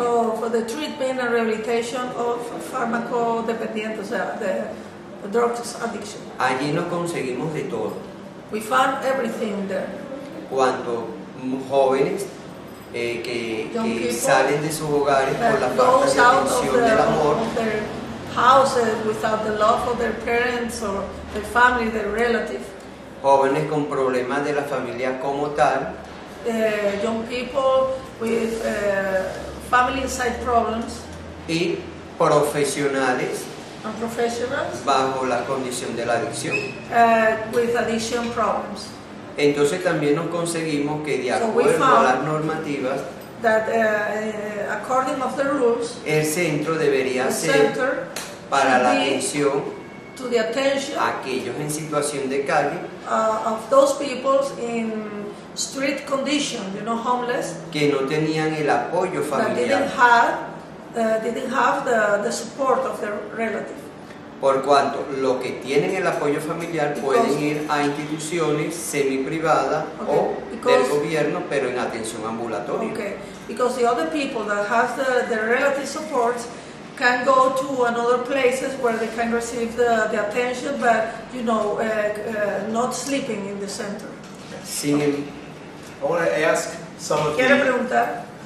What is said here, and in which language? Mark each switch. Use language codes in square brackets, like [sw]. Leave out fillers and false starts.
[en] Oh, for the treatment and rehabilitation of pharmacodependientes, [es] o sea, [en] the drugs addiction. [es] Allí nos conseguimos de todo. [en] We found everything there. [es] Cuanto jóvenes que salen de sus hogares con la falta de atención del amor. [en] Of their houses without the love of their parents or their family, their relative. [es] Jóvenes con problemas de la familia como tal. [en] Young people with family inside problems. [es] Y profesionales. [en] And professionals. [es] Bajo la condición de la adicción. [en] With addiction problems. [es] Entonces también nos conseguimos que de acuerdo a las normativas [en] that according of the rules, [es] el centro debería ser para la atención [en] to the attention [es] aquellos en situación de calle [en] of those people in street condition, you know, homeless, [es] que no tenían el apoyo familiar, [en] didn't have the support of their relative. [es] Por cuanto lo que tienen el apoyo familiar pueden ir a instituciones semi-privadas o del gobierno, pero en atención ambulatoria. [en] Okay, because the other people that have the relative support can go to another places where they can receive the attention, but you know, not sleeping in the center. [es] Sin el, [en] I want to ask some of [es] quiero preguntar.